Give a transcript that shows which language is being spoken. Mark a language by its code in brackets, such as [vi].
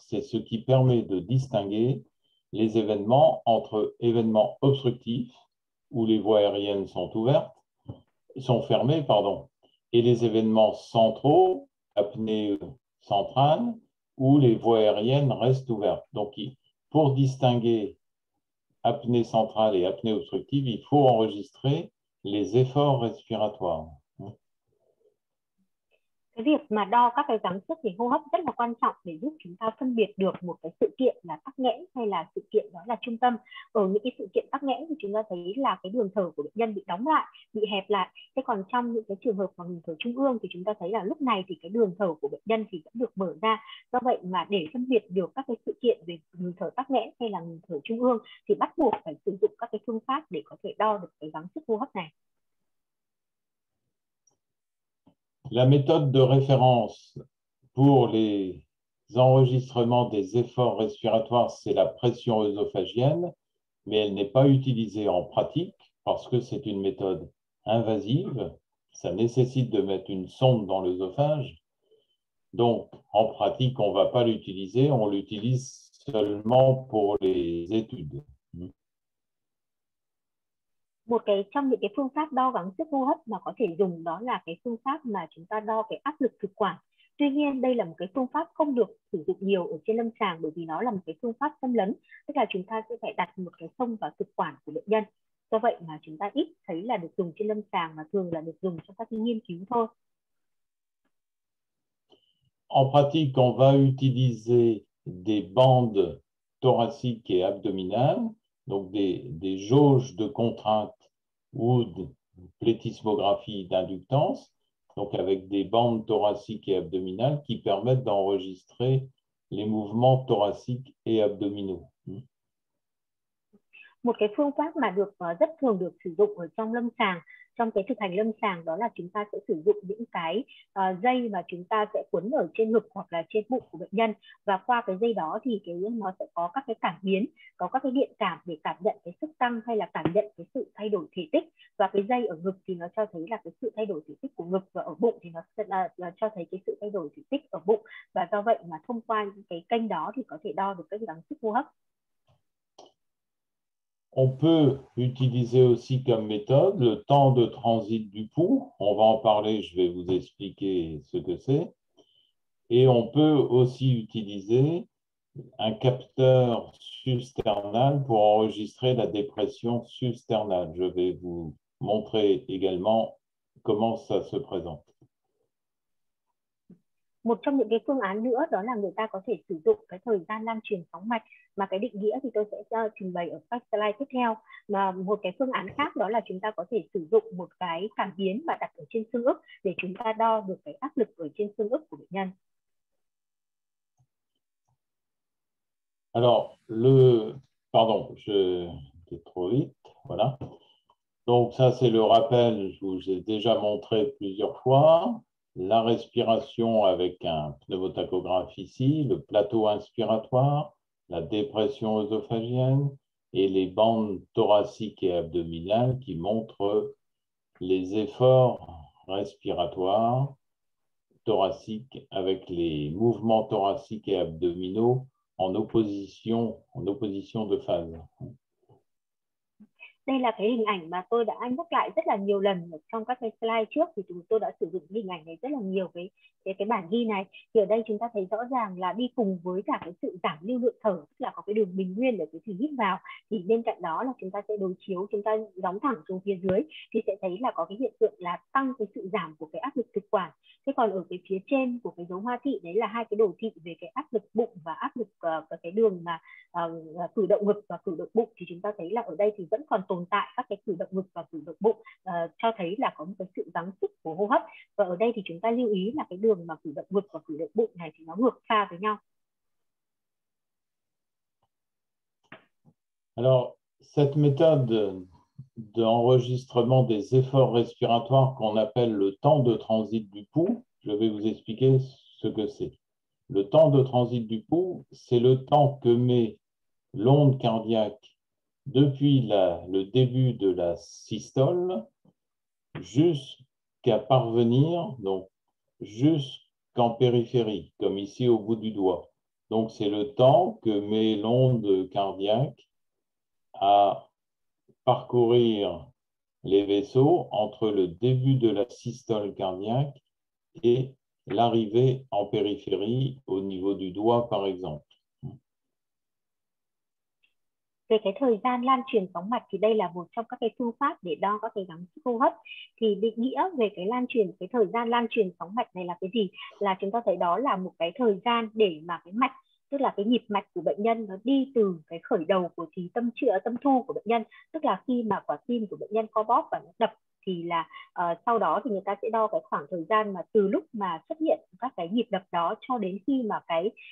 [fr] C'est ce qui permet de distinguer les événements entre événements obstructifs, où les voies aériennes sont ouvertes, sont fermées, pardon, et les événements centraux, apnée centrale, où les voies aériennes restent ouvertes. Donc, pour distinguer apnée centrale et apnée obstructive, il faut enregistrer les efforts respiratoires. [vi] Cái việc mà đo các cái gắng sức về hô hấp rất là quan trọng để giúp chúng ta phân biệt được một cái sự kiện là tắc nghẽn hay là sự kiện đó là trung tâm. Ở những cái sự kiện tắc nghẽn thì chúng ta thấy là cái đường thở của bệnh nhân bị đóng lại, bị hẹp lại. Thế còn trong những cái trường hợp mà ngừng thở trung ương thì chúng ta thấy là lúc này thì cái đường thở của bệnh nhân thì vẫn được mở ra. Do vậy mà để phân biệt được các cái sự kiện về ngừng thở tắc nghẽn hay là ngừng thở trung ương thì bắt buộc phải sử dụng các cái phương pháp để có thể đo được cái gắng sức hô hấp này. [fr] La méthode de référence pour les enregistrements des efforts respiratoires, c'est la pression œsophagienne, mais elle n'est pas utilisée en pratique parce que c'est une méthode invasive. Ça nécessite de mettre une sonde dans l'œsophage. Donc, en pratique, on ne va pas l'utiliser, on l'utilise seulement pour les études. [vi] Một cái trong những cái phương pháp đo gắng sức hô hấp mà có thể dùng đó là cái phương pháp mà chúng ta đo cái áp lực thực quản. Tuy nhiên đây là một cái phương pháp không được sử dụng nhiều ở trên lâm sàng bởi vì nó là một cái phương pháp xâm lấn, tức là chúng ta sẽ phải đặt một cái sông vào thực quản của bệnh nhân. Do vậy mà chúng ta ít thấy là được dùng trên lâm sàng mà thường là được dùng trong các nghiên cứu thôi. [fr] En pratique, on va utiliser des bandes thoraciques et abdominales, donc des jauges de contrainte ou de plétismographie d'inductance, donc avec des bandes thoraciques et abdominales qui permettent d'enregistrer les mouvements thoraciques et abdominaux. [vi] Một cái phương pháp mà được rất thường được sử dụng ở trong lâm sàng, trong cái thực hành lâm sàng đó là chúng ta sẽ sử dụng những cái dây mà chúng ta sẽ quấn ở trên ngực hoặc là trên bụng của bệnh nhân và qua cái dây đó thì cái nó sẽ có các cái cảm biến, có các cái điện cảm để cảm nhận cái sức tăng hay là cảm nhận cái sự thay đổi thể tích và cái dây ở ngực thì nó cho thấy là cái sự thay đổi thể tích của ngực và ở bụng thì nó sẽ là cho thấy cái sự thay đổi thể tích ở bụng và do vậy mà thông qua những cái kênh đó thì có thể đo được cái gắng sức hô hấp. [fr] On peut utiliser aussi comme méthode le temps de transit du pouls. On va en parler, je vais vous expliquer ce que c'est. Et on peut aussi utiliser un capteur susternal pour enregistrer la dépression susternale. Je vais vous montrer également comment ça se présente. [vi] Một trong những cái phương án nữa đó là người ta có thể sử dụng cái thời gian lan truyền sóng mạch mà cái định nghĩa thì tôi sẽ trình bày ở các slide tiếp theo. Mà một cái phương án khác đó là chúng ta có thể sử dụng một cái cảm biến mà đặt ở trên xương ức để chúng ta đo được cái áp lực ở trên xương ức của bệnh nhân. [fr] Alors, pardon, je vais trop vite, voilà. Donc ça c'est le rappel, je vous ai déjà montré plusieurs fois. La respiration avec un pneumotachographe ici, le plateau inspiratoire, la dépression œsophagienne et les bandes thoraciques et abdominales qui montrent les efforts respiratoires thoraciques avec les mouvements thoraciques et abdominaux en opposition de phase. [vi] Đây là cái hình ảnh mà tôi đã nhắc lại rất là nhiều lần trong các cái slide trước thì chúng tôi đã sử dụng hình ảnh này rất là nhiều với cái bản ghi này. Thì ở đây chúng ta thấy rõ ràng là đi cùng với cả cái sự giảm lưu lượng thở, tức là có cái đường bình nguyên để cái thử hít vào. Thì bên cạnh đó là chúng ta sẽ đối chiếu, chúng ta đóng thẳng xuống phía dưới thì sẽ thấy là có cái hiện tượng là tăng cái sự giảm của cái áp lực thực quản. Thế còn ở cái phía trên của cái dấu hoa thị đấy là hai cái đồ thị về cái áp lực bụng và áp lực cái đường mà cử động ngực và cử động bụng, thì chúng ta thấy là ở đây thì vẫn còn tồn tại các cái cử động ngực và cử động bụng, cho thấy là có một cái sự gắng sức của hô hấp. Và ở đây thì chúng ta lưu ý là cái đường mà cử động ngực và cử động bụng này thì nó ngược pha với nhau. [fr] Alors, cette méthode d'enregistrement des efforts respiratoires qu'on appelle le temps de transit du pouls, je vais vous expliquer ce que c'est. Le temps de transit du pouls, c'est le temps que met l'onde cardiaque depuis le début de la systole jusqu'à parvenir, donc jusqu'en périphérie, comme ici au bout du doigt. Donc, c'est le temps que met l'onde cardiaque à parcourir les vaisseaux entre le début de la systole cardiaque et l'arrivée en périphérie au niveau du doigt, par exemple. [vi] Về cái thời gian lan truyền sóng mạch thì đây là một trong các cái phương pháp để đo các cái gắng sức hô hấp. Thì định nghĩa về cái lan truyền, cái thời gian lan truyền sóng mạch này là cái gì? Là chúng ta thấy đó là một cái thời gian để mà cái mạch, tức là cái nhịp mạch của bệnh nhân nó đi từ cái khởi đầu của thì tâm chữa tâm thu của bệnh nhân, tức là khi mà quả tim của bệnh nhân co bóp và nó đập, thì là sau đó thì người ta sẽ đo cái khoảng thời gian mà từ lúc mà xuất hiện các cái nhịp đập đó cho đến khi mà cái